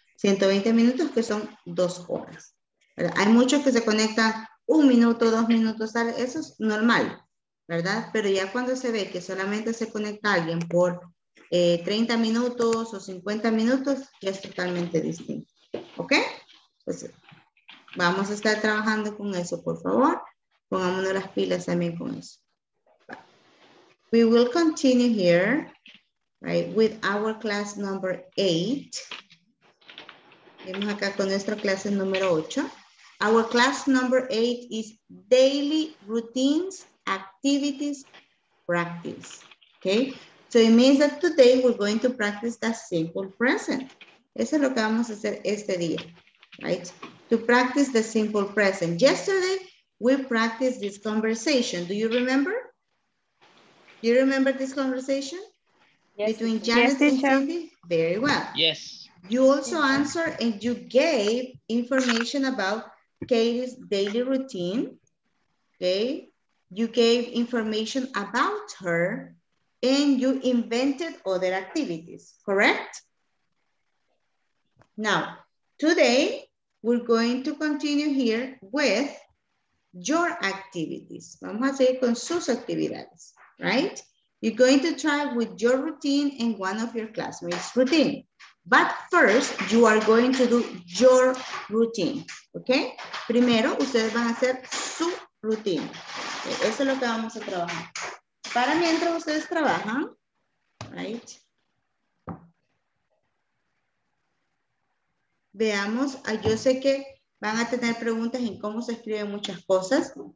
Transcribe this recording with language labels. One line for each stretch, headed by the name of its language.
Spanish: 120 minutos que son 2 horas. ¿Verdad? Hay muchos que se conectan 1 minuto, 2 minutos, tal, eso es normal, ¿verdad? Pero ya cuando se ve que solamente se conecta alguien por 30 minutos o 50 minutos, ya es totalmente distinto. ¿Ok? Pues vamos a estar trabajando con eso, por favor. Pongámonos las pilas también con eso.
English: We will continue here, right, with our class number 8.
Spanish: Vemos acá con nuestra clase número 8.
English: Our class number 8 is daily routines, activities, practice. Okay? So it means that today we're going to practice the simple present.
Spanish: Eso es lo que vamos a hacer este día.
English: Right? To practice the simple present. Yesterday, we practiced this conversation. Do you remember? Do you remember this conversation? Yes. Between Janice yes, and Cindy? Very well. Yes. You also answer and you gave information about Katie's daily routine. Okay. You gave information about her and you invented other activities, correct? Now, today we're going to continue here with your activities.
Spanish: Vamos a seguir con sus actividades,
English: right? You're going to try with your routine in one of your classmates' routine. But first, you are going to do your routine, okay?
Spanish: Primero, ustedes van a hacer su routine. Okay, eso es lo que vamos a trabajar. Para mientras ustedes trabajan, right? Veamos, yo sé que van a tener preguntas en cómo se escriben muchas cosas.